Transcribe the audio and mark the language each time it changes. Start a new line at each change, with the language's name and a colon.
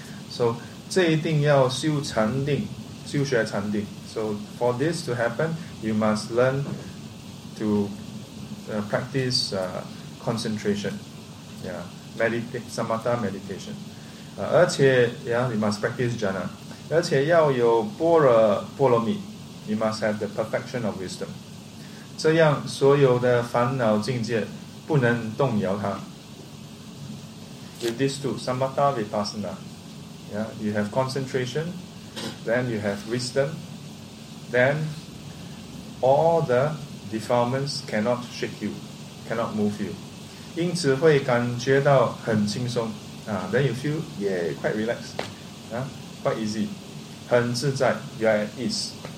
Chinese: So 这一定要修禅定, 修学禅定.
English: So for this to happen, you must learn to practice concentration. Meditate, samatha meditation.
Chinese: 而且,
English: you must practice jhana.
Chinese: 而且要有般若波罗蜜.
English: You must have the perfection of wisdom.
Chinese: 这样所有的烦恼境界不能动摇它.
English: With these two, samatha vipassana, you have concentration, then you have wisdom, then all the defilements cannot shake you, cannot move you.
Chinese: 因此会感觉到很轻松,
English: then you feel quite relaxed, quite easy,
Chinese: 很自在,
English: you are at ease.